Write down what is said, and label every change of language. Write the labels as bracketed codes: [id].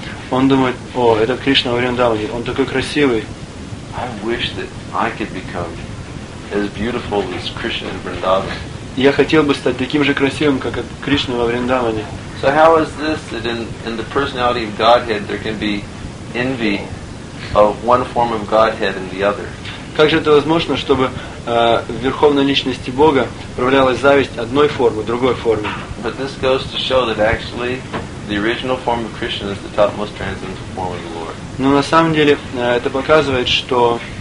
[ru] Он думает, о, этот Кришна в Вриндаване, он такой красивый. [en] I wish that I could become as beautiful as Krishna in Vrindavan. [ru] Я хотел бы стать таким же красивым, как Кришна во Вриндаване. [en] So how is this that in the personality of Godhead there can be envy of one form of Godhead and the other? [ru] Как же это возможно, чтобы в Верховной Личности Бога проявлялась зависть одной формы, другой формы? [en] But this goes to show that actually the original form of Krishna is the topmost transcendental form of the Lord. [ru] Но на самом деле это показывает, что